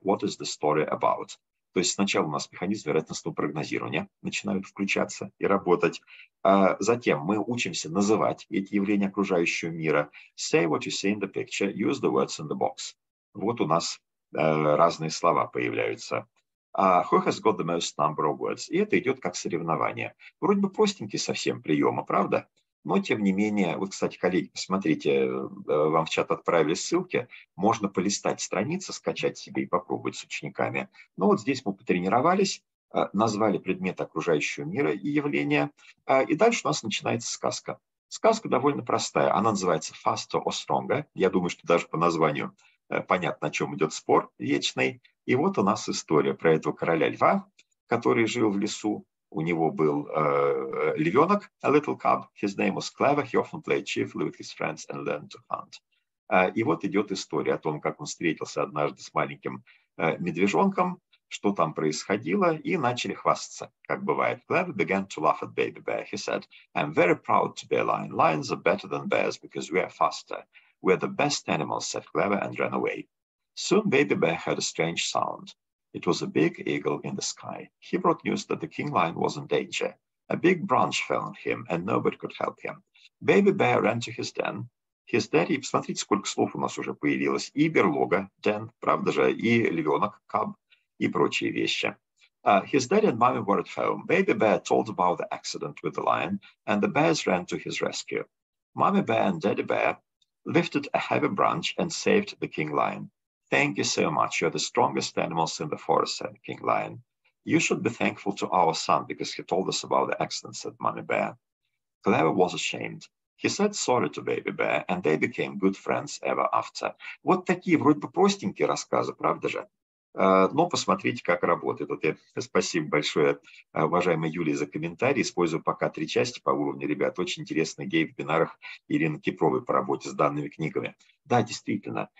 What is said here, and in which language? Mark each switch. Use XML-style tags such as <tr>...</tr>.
<en>What is the story about?</en> <ru>То есть сначала у нас механизм вероятностного прогнозирования начинают включаться и работать. А затем мы учимся называть эти явления окружающего мира.</ru> <en>Say what you see in the picture. Use the words in the box.</en> <ru>Вот у нас разные слова появляются.</ru> <en>Who has got the most number of words?</en> <ru>И это идет как соревнование. Вроде бы простенький совсем прием, правда? Но, тем не менее, вот, кстати, коллеги, посмотрите, вам в чат отправили ссылки, можно полистать страницы, скачать себе и попробовать с учениками. Ну вот здесь мы потренировались, назвали предметы окружающего мира и явления, и дальше у нас начинается сказка. Сказка довольно простая, она называется</ru> <en>«Faster or Stronger».</en> <ru>Я думаю, что даже по названию понятно, о чем идет спор вечный. И вот у нас история про этого короля льва, который жил в лесу. У него был львенок,</ru> <en>a little cub. His name was Clever. He often played chiefly with his friends and learned to hunt.</en> <ru>И вот идет история о том, как он встретился однажды с маленьким медвежонком, что там происходило, и начали хвастаться, как бывает.</ru> <en>Clever began to laugh at baby bear. He said, I'm very proud to be a lion. Lions are better than bears because we are faster. We are the best animals, said Clever, and ran away. Soon baby bear heard a strange sound. It was a big eagle in the sky. He brought news that the king lion was in danger. A big branch fell on him, and nobody could help him. Baby bear ran to his den. His daddy,</en> <ru>посмотрите, сколько слов у нас уже появилось. И берлога, den, правда же, и львенок, cub, и прочие вещи.</ru> <en>His daddy and mommy were at home. Baby bear told about the accident with the lion, and the bears ran to his rescue. Mommy bear and daddy bear lifted a heavy branch and saved the king lion. Thank you so much. You're the strongest animals in the forest, said King Lion. You should be thankful to our son because he told us about the accident, said Mommy Bear. Clever was ashamed. He said sorry to Baby Bear, and they became good friends ever after.</en> <ru>Вот такие вроде бы простенькие рассказы, правда же? Но посмотрите, как работает. Вот я, спасибо большое, уважаемая Юлия, за комментарий. Использую пока 3 части по уровню, ребят. Очень интересно, гей в вебинарах Ирины Кипровой по работе с данными книгами. Да, действительно.</ru>